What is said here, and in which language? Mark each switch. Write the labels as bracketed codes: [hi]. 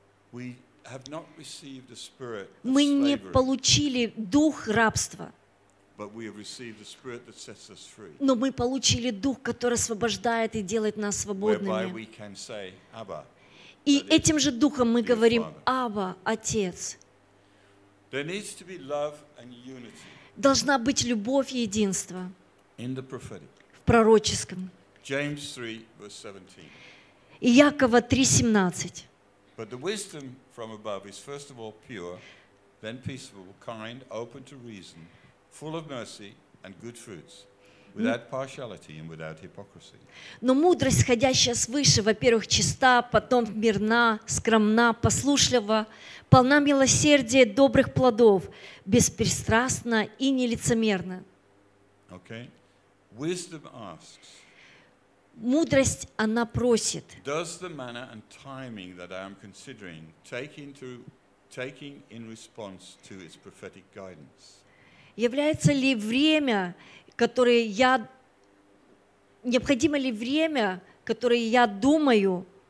[en] We have not received the spirit of slavery. [ru] Мы не получили дух рабства. [en] But we have received the spirit that sets us free. [ru] Но мы получили дух, который освобождает и делает нас свободными. [en] Whereby we can say, Abba. [ru] И этим же духом мы говорим, Абба, Отец. [en] There needs to be love and unity. [ru] Должна быть любовь и единство. [en] In the prophetic. [ru] В пророческом. [en] James 3, verse 17. [ru] Иакова 3:17. [en] But the wisdom from above is first of all pure, then peaceable, kind, open to reason, full of mercy and good fruits, without partiality and without hypocrisy. [ru] Но мудрость, исходящая свыше, во-первых, чиста, потом мирна, скромна, послушлива, полна милосердия, добрых плодов, беспристрастна и нелицемерна. [en] Okay. Wisdom asks. [ru] Мудрость, она просит. [en] Does the manner and timing that I am considering taking in response to its prophetic guidance? [ru] Является ли время, которое я... Необходимо ли время, которое я думаю...